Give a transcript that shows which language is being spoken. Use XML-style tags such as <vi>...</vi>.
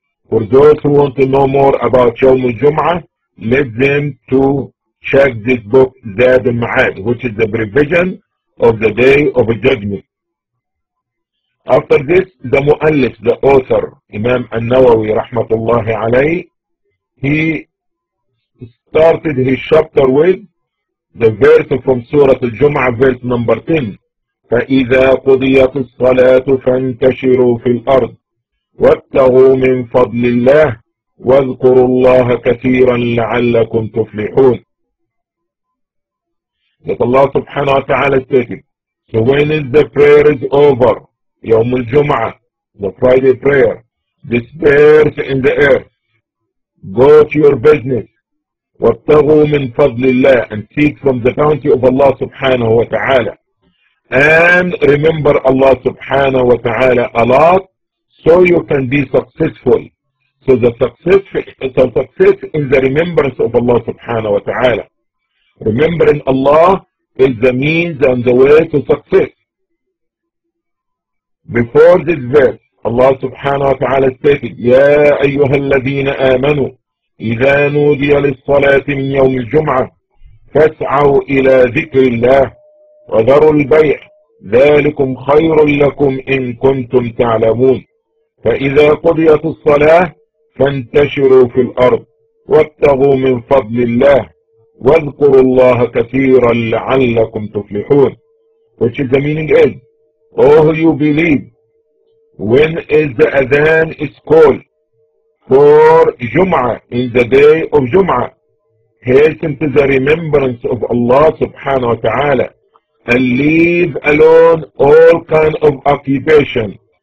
<en>For those who want to know more about</en> <ar>يوم الجمعه,</ar> <en>let them to check this book Zad al-Mi'ad, which is the revision of the Day of Judgment. After this, the muallif, the author, Imam al-Nawawi rahmatullahi alayhi, he started his chapter with the verse from Surah Al-Jum'ah, verse number 10.</en> <ar>فإذا قضيت الصلاة فانتشروا في الأرض وابتغوا من فضل الله واذكروا الله كثيرا لعلكم تفلحون. لك الله سبحانه وتعالى ستيتد.</ar> <en>So when is the prayer is over,</en> <ar>يوم الجمعة,</ar> <en>the Friday prayer, disperse in the earth, go to your business,</en> <ar>وابتغوا من فضل الله,</ar> <en>and seek from the bounty of Allah</en> <ar>سبحانه وتعالى.</ar> <en>And remember Allah</en> <ar>سبحانه وتعالى</ar> <en>a lot, so you can be successful. So the success in the remembrance of Allah subhanahu wa ta'ala. Remembering Allah is the means and the way to success. Before this verse, Allah subhanahu wa ta'ala stated,</en> <ar>يَا أَيُّهَا الَّذِينَ آمَنُوا إِذَا نُودِيَ لِلصَّلَاةِ مِنْ يَوْمِ الْجُمْعَةِ فَاسْعَوْا إِلَى ذِكْرِ اللَّهِ وَذَرُوا الْبَيْعِ ذَلِكُمْ خَيْرٌ لَكُمْ إِن كُنْتُمْ تَعْلَمُونَ فإذا قضيت الصلاة فانتشروا في الأرض وابتغوا من فضل الله واذكروا الله كثيرا لعلكم تفلحون.</ar> <en>Which is the meaning is, O who you believe, when is the Adhan is called for Jum'ah, in the day of Jum'ah, hasten to the remembrance of Allah subhanahu wa ta'ala and leave alone all kind of occupation.</en>